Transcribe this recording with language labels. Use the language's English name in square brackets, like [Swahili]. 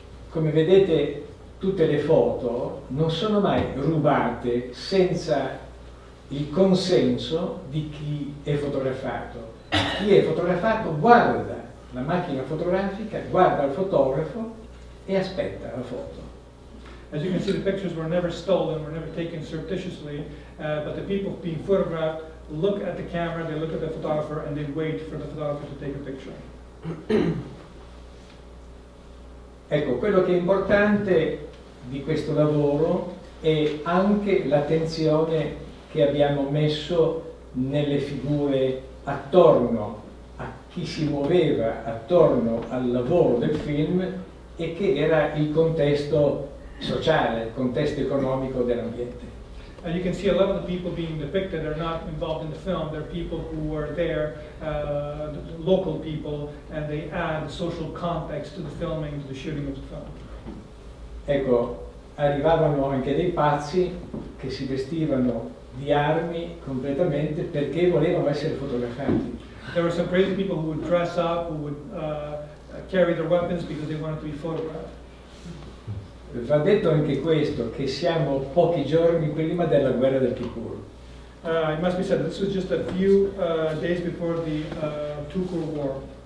[Italian] Come vedete, tutte le foto non sono mai rubate senza il consenso di chi è fotografato. Chi è fotografato guarda la macchina fotografica, guarda il fotografo e aspetta la foto. [English] As you can see, the pictures were never stolen, were never taken surreptitiously, but the people being photographed look at the camera, they look at the photographer, and they wait for the photographer to take a picture. [Italian] Ecco, quello che è importante di questo lavoro è anche l'attenzione che abbiamo messo nelle figure attorno a chi si muoveva attorno al lavoro del film e che era il contesto sociale, il contesto economico dell'ambiente. [English] And you can see a lot of the people being depicted are not involved in the film, they're people who are there, the local people, and they add social context to the filming, to the shooting of the film. [Italian] Ecco, arrivavano anche dei pazzi che si vestivano di armi completamente perché volevano essere fotografati. [English] There were some crazy people who would dress up, who would carry their weapons because they wanted to be photographed. [Italian] Va detto anche questo, che siamo pochi giorni prima della guerra del Kippur. [English] It must be said that this was just a few days before the Tukur war.